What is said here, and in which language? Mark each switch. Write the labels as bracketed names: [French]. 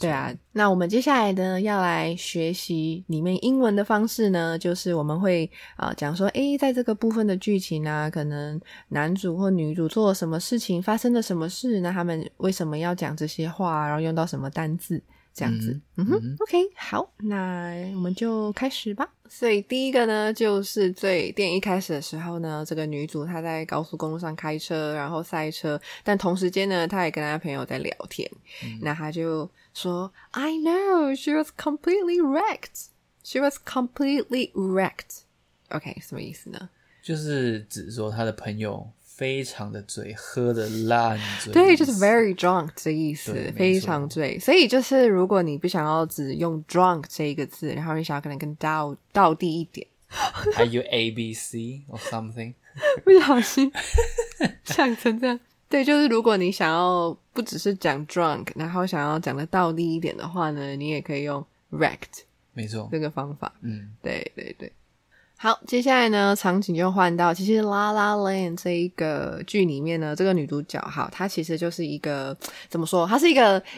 [Chinese] 对啊，那我们接下来呢要来学习里面英文的方式呢，就是我们会讲说在这个部分的剧情啊，可能男主或女主做了什么事情，发生了什么事，那他们为什么要讲这些话，然后用到什么单字这样子。嗯哼 OK， 好，那我们就开始吧。所以第一个呢，就是最电影一开始的时候呢，这个女主她在高速公路上开车，然后塞车，但同时间呢她也跟她朋友在聊天。那她就说 [English] I know she was completely wrecked， she was completely wrecked。 [Chinese] OK， 什么意思呢？就是指说她的朋友非常的醉，喝的烂醉。对，就是 [English] very drunk [Chinese] 这意思，非常醉。所以就是如果你不想要只用 drunk 这一个字，然后你想要可能跟倒地一点。 [English] Are you ABC or something? [Chinese] 不小心想成这样。对，就是如果你想要不只是讲 drunk， 然后想要讲的倒地一点的话呢，你也可以用 wrecked。没错。这个方法。嗯。对对对。好，接下来呢场景就换到其实 La La Land 这一个剧里面呢，这个女主角好，她其实就是一个怎么说，她是一个